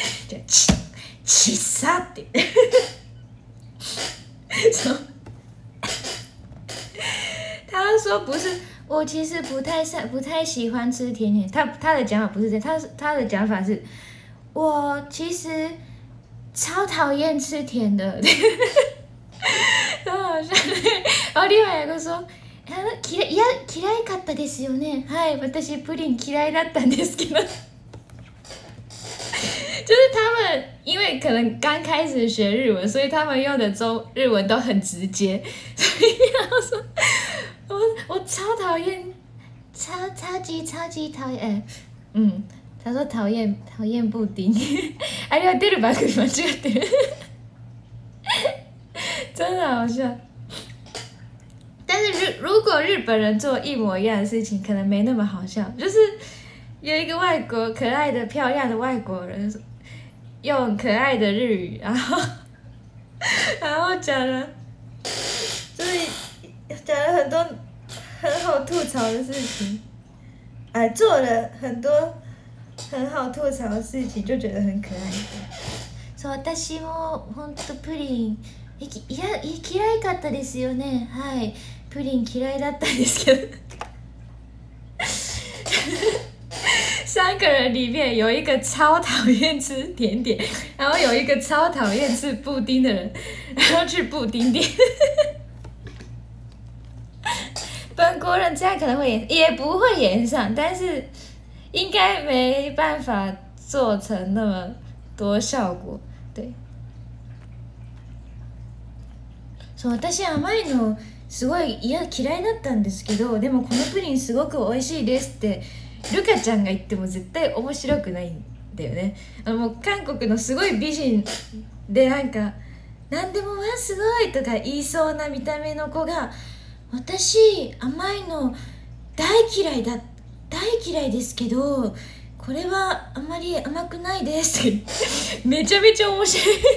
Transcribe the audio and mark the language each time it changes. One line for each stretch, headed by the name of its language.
Chinese: 就起起啥的，说他说不是，我其实不太喜欢吃甜点。他的讲法不是这样，他的讲法是，我其实超讨厌吃甜的，然后好像，然后另外一个说。
Japanese: 嫌いかったですよね。はい、私プリン嫌いだったんですけど。
Chinese: 就是他们因为可能刚开始学日文，所以他们用的中日文都很直接，所以他说我超讨厌，超级讨厌。他说讨厌布丁。
Japanese: あれは出る番組間違ってる。
Chinese: 真的好笑。但是如果日本人做一模一样的事情，可能没那么好笑。就是有一个外国可爱的漂亮的外国人，用可爱的日语，然后讲了，就是讲了很多很好吐槽的事情，做了很多很好吐槽的事情，就觉得很可爱。
Japanese: そう、私も本当プリン嫌いかったですよね。はい。プリン嫌いだったんですけど
Chinese: 三个人里面有一个超讨厌吃甜点，然后有一个超讨厌吃布丁的人，然后去布丁店本国人这样可能会演，也不会演上，但是应该没办法做成那么多效果。对，
Japanese: そう、私甘いのすごい、いや嫌いだったんですけど、でもこのプリンすごく美味しいですってルカちゃんが言っても絶対面白くないんだよね。もう韓国のすごい美人で、なんか何でもわすごいとか言いそうな見た目の子が、私甘いの大嫌いですけど、これはあまり甘くないですって、めちゃめちゃ面白い。